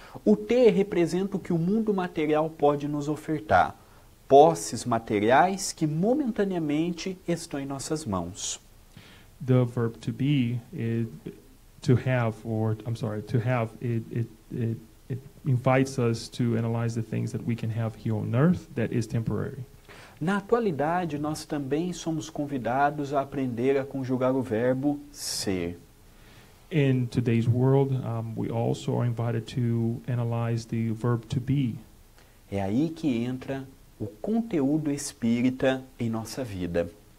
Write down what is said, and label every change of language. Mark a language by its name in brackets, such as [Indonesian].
[Portuguese] O ter representa o que o mundo material pode nos ofertar, posses materiais que momentaneamente estão em nossas mãos. [English] The verb to be is to have, or I'm sorry, to have. It invites us to analyze the things that we can have here on earth that is temporary. [Portuguese] Na atualidade, nós também somos convidados a aprender a conjugar o verbo ser. [English] In today's world, we also are invited to analyze the verb to be. [Portuguese] É aí que entra o conteúdo espírita em nossa vida.